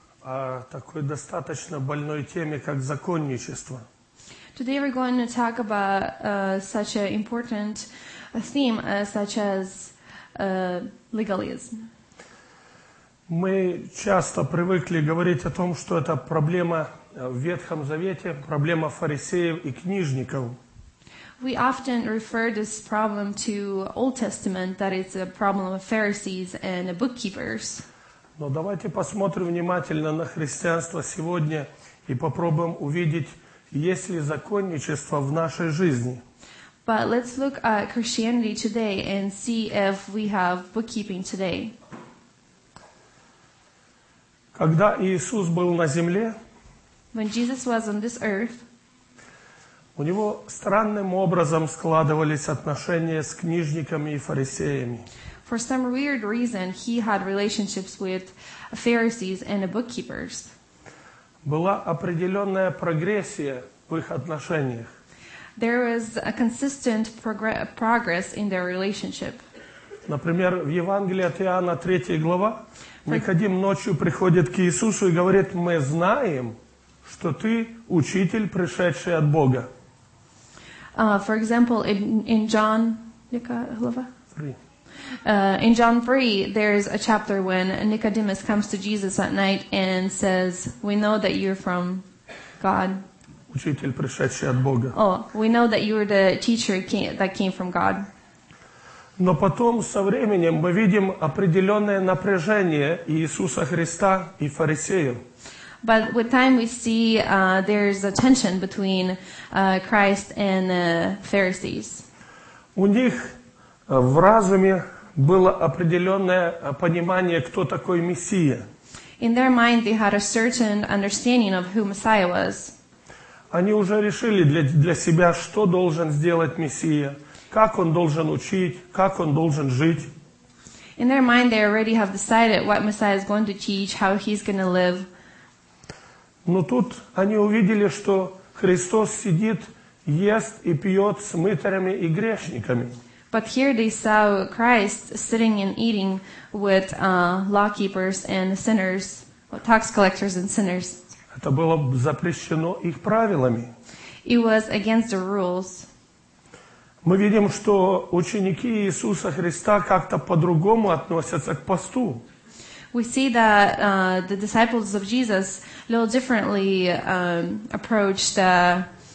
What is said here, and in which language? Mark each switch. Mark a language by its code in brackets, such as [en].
[ru] О такой достаточно больной теме, как законничество. [en] Today we're going to talk about such an important theme, such as legalism. [ru] Мы часто привыкли говорить о том, что это проблема в Ветхом Завете, проблема фарисеев и книжников. [en] We often refer this problem to Old Testament, that it's a problem of Pharisees and bookkeepers. [ru] Но давайте посмотрим внимательно на христианство сегодня и попробуем увидеть, есть ли законничество в нашей жизни. [en] But let's look at Christianity today and see if we have bookkeeping today. [ru] Когда Иисус был на земле, [en] when Jesus was on this earth, [ru] у него странным образом складывались отношения с книжниками и фарисеями. [en] For some weird reason, he had relationships with Pharisees and the bookkeepers. [ru] Была определенная прогрессия в их отношениях. [en] There was a consistent progress in their relationship. [ru] Например, в Евангелии от Иоанна 3 глава, Никодим ночью приходит к Иисусу и говорит, «Мы знаем, что ты учитель, пришедший от Бога». [en] For example, in John, [ru] глава? [en] 3. In John 3, there's a chapter when Nicodemus comes to Jesus at night and says, "We know that you're from God." [ru] Учитель, пришедший от Бога. [en] Oh, we know that you were the teacher that came from God. [ru] Но потом со временем мы видим определенное напряжение Иисуса Христа и фарисеев. [en] But with time, we see there's a tension between Christ and Pharisees. [ru] У них в разуме было определенное понимание, кто такой Мессия. [en] In their mind, they had a certain understanding of who Messiah was. [ru] Они уже решили для себя, что должен сделать Мессия, как он должен учить, как он должен жить. [en] In their mind, they already have decided what Messiah is going to teach, how he's going to live. [ru] Но тут они увидели, что Христос сидит, ест и пьет с мытарями и грешниками. [en] But here they saw Christ sitting and eating with law keepers and sinners, tax collectors and sinners. [ru] Это было запрещено их правилами. [en] It was against the rules. [ru] Мы видим, что ученики Иисуса Христа как-то по-другому относятся к посту. [en] We see that the disciples of Jesus a little differently approached the